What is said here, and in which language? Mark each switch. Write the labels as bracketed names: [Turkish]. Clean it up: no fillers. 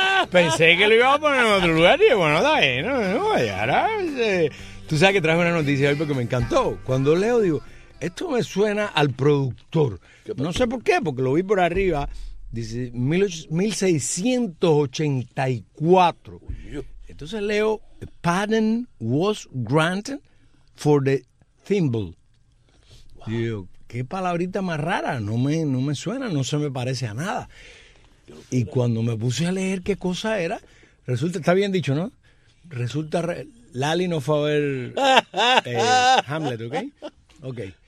[Spanish] Pensé que lo iba a poner en otro lugar. Y bueno, da ahí, ¿no? Ahora. Tú sabes que traje una noticia hoy porque me encantó. Cuando leo, digo. Esto me suena al productor. No sé por qué, porque lo vi por arriba. Dice 1684. Entonces leo, [English] the patent was granted for the thimble. Wow. [Spanish] Digo, qué palabrita más rara. No me suena, no se me parece a nada. Y cuando me puse a leer qué cosa era, resulta, está bien dicho, ¿no? Resulta, Lali no fue a ver Hamlet, ¿ok? Ok.